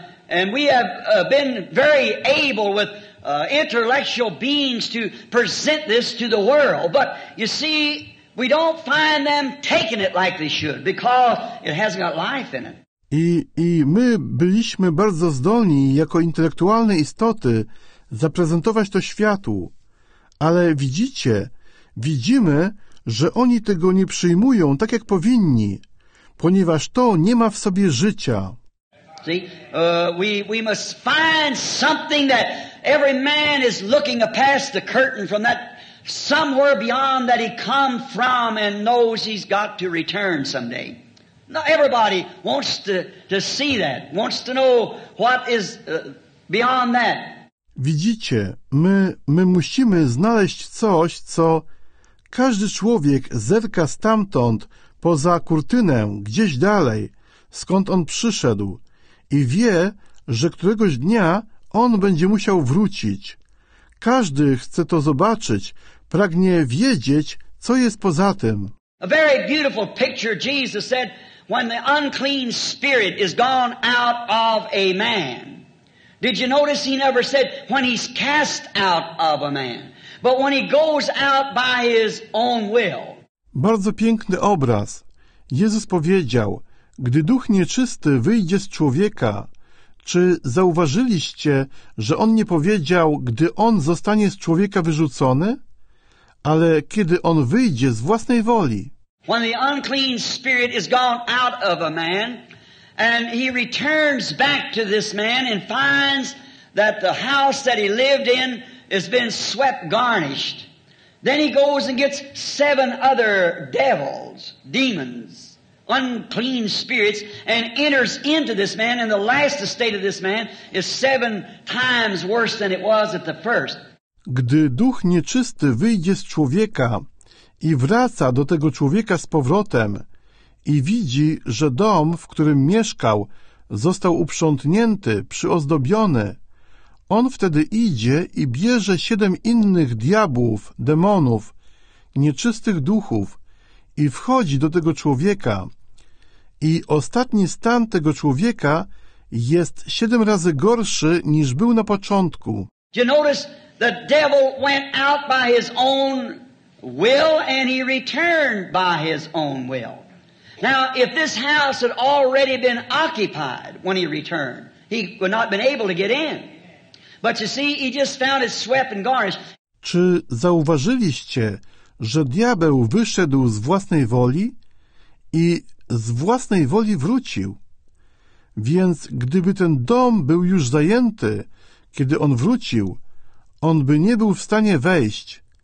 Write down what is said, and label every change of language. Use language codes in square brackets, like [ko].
[en] And we have been very able with intellectual beings to present this to the world. But you see, we don't find them taking it like they should, because it hasn't got life in it. [pl] I my byliśmy bardzo zdolni jako intelektualne istoty zaprezentować to światu. Ale widzimy, że oni tego nie przyjmują tak jak powinni, ponieważ to nie ma w sobie życia. [en] See, we must find something that every man is looking past the curtain from that somewhere beyond that he come from and knows he's got to return someday. Not everybody wants to see that, wants to know what is beyond that. [pl] Widzicie, my musimy znaleźć coś, co każdy człowiek zerka stamtąd poza kurtynę, gdzieś dalej, skąd on przyszedł, i wie, że któregoś dnia on będzie musiał wrócić. Każdy chce to zobaczyć, pragnie wiedzieć, co jest poza tym. [en] A very beautiful picture Jesus said, when the unclean spirit is gone out of a man. Did you notice he never said when he's cast out of a man, but when he goes out by his own will. [pl] Bardzo piękny obraz. Jezus powiedział: gdy duch nieczysty wyjdzie z człowieka. Czy zauważyliście, że on nie powiedział, gdy on zostanie z człowieka wyrzucony? Ale kiedy on wyjdzie z własnej woli. [en] When the unclean spirit is gone out of a man, and he returns back to this man and finds that the house that he lived in has been swept garnished. Then he goes and gets seven other devils, demons, unclean spirits, and enters into this man, and the last estate of this man is seven times worse than it was at the first. [pl] Gdy duch nieczysty wyjdzie z człowieka i wraca do tego człowieka z powrotem i widzi, że dom, w którym mieszkał, został uprzątnięty, przyozdobiony, on wtedy idzie i bierze siedem innych diabłów, demonów, nieczystych duchów i wchodzi do tego człowieka. I ostatni stan tego człowieka jest 7 razy gorszy niż był na początku. [en] You notice the devil went out by his own will and he returned by his own will. Now, if this house had already been occupied when he returned, he would not have been able to get in. But you see, he just found it swept and garnished. [pl] Czy zauważyliście, że diabeł wyszedł z własnej woli i z własnej woli wrócił? Więc gdyby ten dom był już zajęty, kiedy on wrócił, on by nie był w stanie wejść.